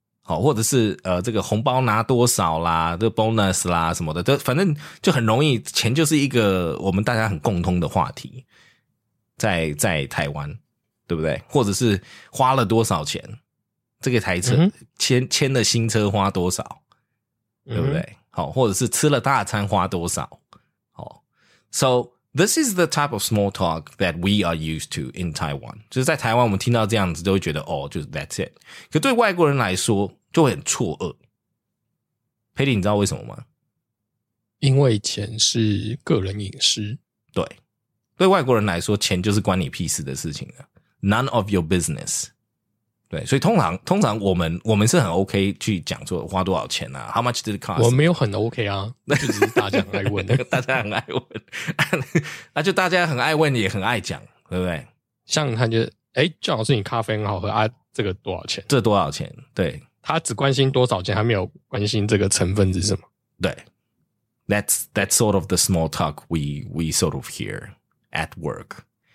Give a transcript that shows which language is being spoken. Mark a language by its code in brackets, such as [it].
[zh] 好，或者是这个红包拿多少啦，这个 bonus 啦什么的，都反正就很容易，钱就是一个我们大家很共通的话题，在台湾，对不对？或者是花了多少钱，这个台车签的新车花多少，对不对？好，或者是吃了大餐花多少，好 ，so。 [en] This is the type of small talk that we are used to in Taiwan. [zh] 就是在台湾我们听到这样子都会觉得哦，就是 that's it. 可对外国人来说就会很错愕。佩蒂你知道为什么吗？因为钱是个人隐私。对。对外国人来说钱就是关你屁事的事情了。 None of your business. 对。所以通常我们是很 OK 去讲说花多少钱啊 , how much did it cost? 我没有很 OK 啊，就只是大家很爱问。大家很爱问。那就大家很爱问也很爱讲，对不对？像他就诶就好像是你咖啡很好喝啊，这个多少钱，这多少钱，对。他只关心多少钱，他没有关心这个成分是什么。对。 [en] That's sort of the small talk we sort of hear at work.